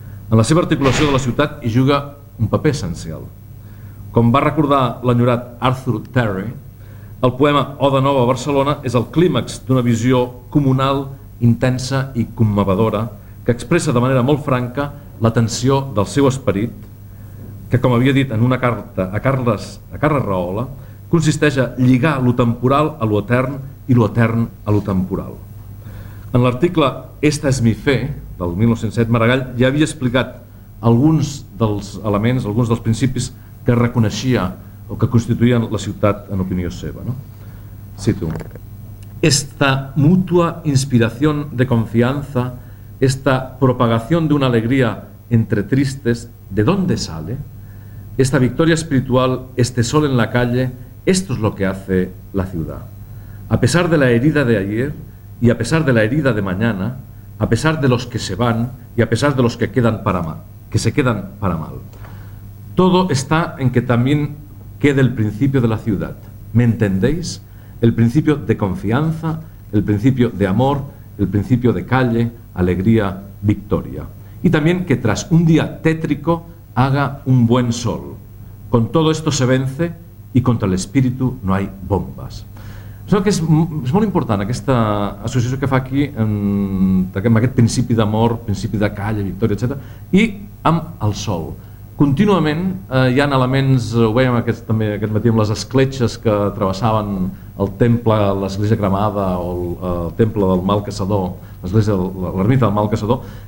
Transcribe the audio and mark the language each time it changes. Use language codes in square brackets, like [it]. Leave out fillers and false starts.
[ca] En la seva articulació de la ciutat hi juga un paper essencial. Com va recordar l'enyorat Arthur Terry, el poema Oda Nova a Barcelona és el clímax d'una visió comunal, intensa i commovedora, que expressa de manera molt franca la tensió del seu esperit, que, com havia dit en una carta a Carles Rahola, consisteix a lligar lo temporal a lo etern i lo etern a lo temporal. En l'article Esta és mi fe, del 1907, Maragall ja havia explicat alguns dels elements, alguns dels principis que reconeixia o que constituïen la ciutat en opinió seva. No? [es] Cito: esta mutua inspiración de confianza, esta propagación de una alegría entre tristes, ¿de dónde sale? Esta victoria espiritual, este sol en la calle, esto es lo que hace la ciudad. A pesar de la herida de ayer y a pesar de la herida de mañana, a pesar de los que se van y a pesar de los que quedan para mal, que se quedan para mal. Todo está en que también quede el principio de la ciudad. ¿Me entendéis? El principio de confianza, el principio de amor, el principio de calle, alegría, victoria. Y también que tras un día tétrico haga un buen sol. Con todo esto se vence y contra el espíritu no hay bombas. [ca] Penso que és molt important aquesta associació que fa aquí amb aquest principi d'amor, principi de calle, victòria, etc. I amb el sol. Contínuament hi ha elements, ho veiem aquest, també aquest matí, amb les escletxes que travessaven el temple, l'església cremada, o el temple del Mal Caçador, l'ermita del Mal Caçador.